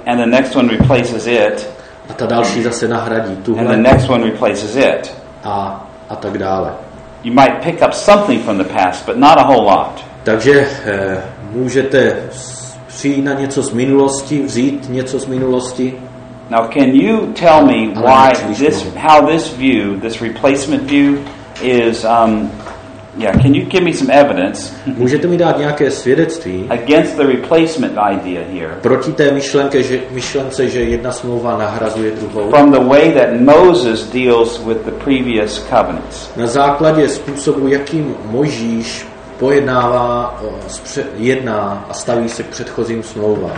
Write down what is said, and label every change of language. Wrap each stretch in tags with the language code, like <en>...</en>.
<en>And the next one replaces it.</en> <cs>A ta další zase nahradí tuhle.</cs> <en>And the next one replaces it.</en> <cs>A tak dále.</cs> <en>You might pick up something from the past, but not a whole lot.</en> <cs>Takže můžete přijít na něco z minulosti, vzít něco z minulosti.</cs> <en>Now can you tell me why this, how this view, this replacement view is yeah, can you give me some evidence?</en> <cs>Můžete mi dát nějaké svědectví?</cs> <en>Against the replacement idea here.</en> <cs>Proti té myšlence, že jedna smlouva nahrazuje druhou.</cs> <en>From the way that Moses deals with the previous covenants.</en> <cs>Na základě způsobu, jakým Mojžíš pojednává jedná a staví se k předchozím smlouvám.</cs>